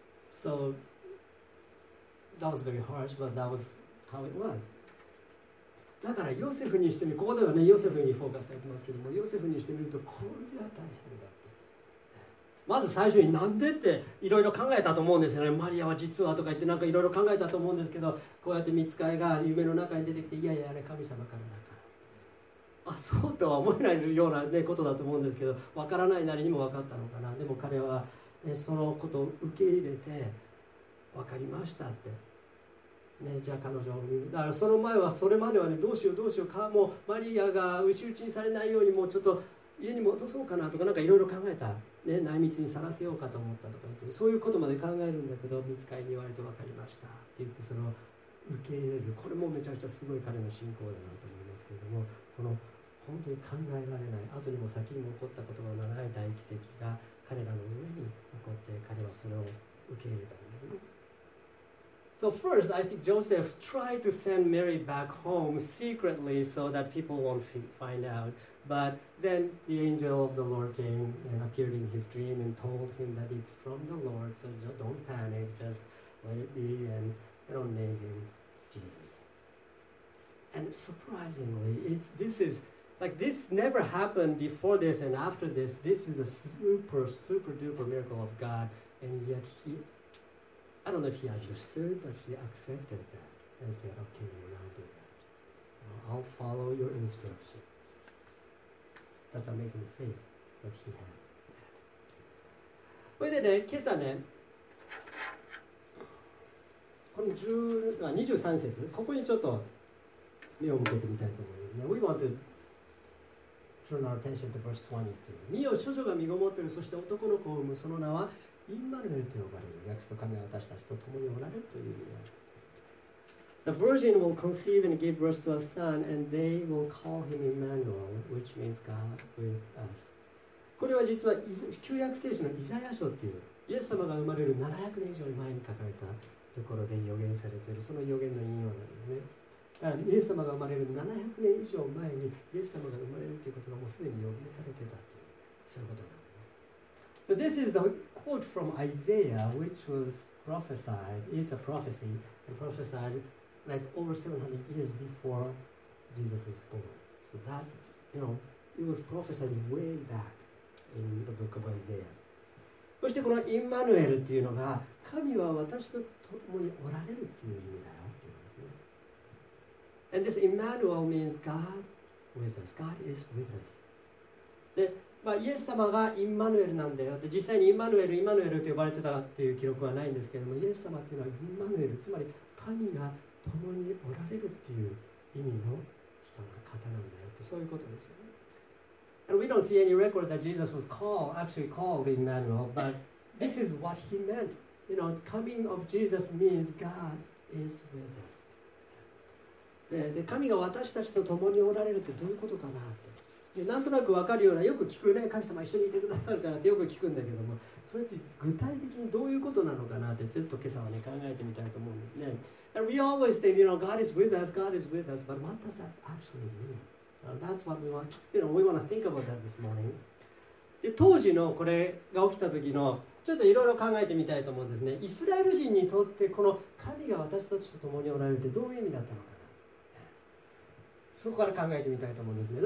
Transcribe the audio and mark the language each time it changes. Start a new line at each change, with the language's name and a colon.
English: So that was very harsh, but that was how it was.
Japanese: だからヨセフにしてみる、ここではねヨセフにフォーカスされてますけども、ヨセフにしてみるとこれは大変だって。まず最初になんでっていろいろ考えたと思うんですよね。マリアは実はとか言ってなんかいろいろ考えたと思うんですけど、こうやって見つかりが夢の中に出てきて、いやいやあれ神様からだから。あ、そうとは思えないようなねことだと思うんですけど、わからないなりにも分かったのかな。でも彼は、ね、そのことを受け入れて、分かりましたって。ね、じゃあ彼女を見る。だからその前はそれまではね、どうしようどうしようか、もうマリアが牛打ちにされないようにもうちょっと家に戻そうかなとかなんかいろいろ考えた、ね、内密にさらせようかと思ったとか言って、そういうことまで考えるんだけど、見つかりに言われて分かりましたって言って、その受け入れる、これもめちゃくちゃすごい彼の信仰だなと思いますけれども、この本当に考えられない後にも先にも起こったことのない大奇跡が彼らの上に起こって、彼はそれを受け入れたんですね。
English: So first, I think Joseph tried to send Mary back home secretly so that people won't find out. But then the angel of the Lord came and appeared in his dream and told him that it's from the Lord. So don't panic, just let it be and don't name him Jesus. And surprisingly, this never happened before this and after this. This is a super, super duper miracle of God. And yet I don't know if he understood, but he accepted that and said, okay, well, I'll do that. I'll follow your instruction. That's amazing faith that he had.
Japanese: それでね、今朝ね、この23節、ここにちょっと目を向けてみたいと思いますね。
English: We want to turn our attention to verse 23.
Japanese: 見よ、処女が身ごもっている、そして男の子を産む、その名は、インマヌエルと呼ばれる。約束と神は私たちと共におられるという意味。
English: The virgin will conceive and give birth to a son, and they will call him Emmanuel, which means God with us.
Japanese: これは実は旧約聖書のイザヤ書っていう、イエス様が生まれる700年以上前に書かれたところで予言されている、その予言の引用なんですね。だからイエス様が生まれる700年以上前にイエス様が生まれるということがもうすでに予言されてたっていう、そういうことなんですね。
English: So this is theQuote from Isaiah, which was prophesied. It's a prophecy and prophesied like over 700 years before Jesus is born. So that's, you know, it was prophesied way back in the book of Isaiah.
Japanese: そしてこのインマヌエルっていうのが、神は私と共におられるっていう意味だよっていうんですね。
English: And this Emmanuel means God with us. God is with us.
Japanese: で、まあ、イエス様がインマヌエルなんだよ。で、実際にインマヌエルと呼ばれてたっていう記録はないんですけれども、イエス様っていうのはインマヌエル、つまり神が共におられるっていう意味の人の方なんだよって、そういうことですよね。
English: And we don't see any record that Jesus was actually called Emmanuel, but this is what he meant. You know, coming of Jesus means God is with us.
Japanese: で、神が私たちと共におられるってどういうことかなって。なんとなく分かるような、よく聞くね、神様一緒にいてくださるからってよく聞くんだけども、それって具体的にどういうことなのかなってちょっと今朝はね考えてみたいと思うんですね。
English: And we always think, you know, God is with us, God is with us, but what does that actually mean? That's what we want to think about that this morning.
Japanese: で、当時のこれが起きた時のちょっといろいろ考えてみたいと思うんですね。イスラエル人にとってこの神が私たちと共におられるってどういう意味だったのか。そこから考えてみたいと思うんですね。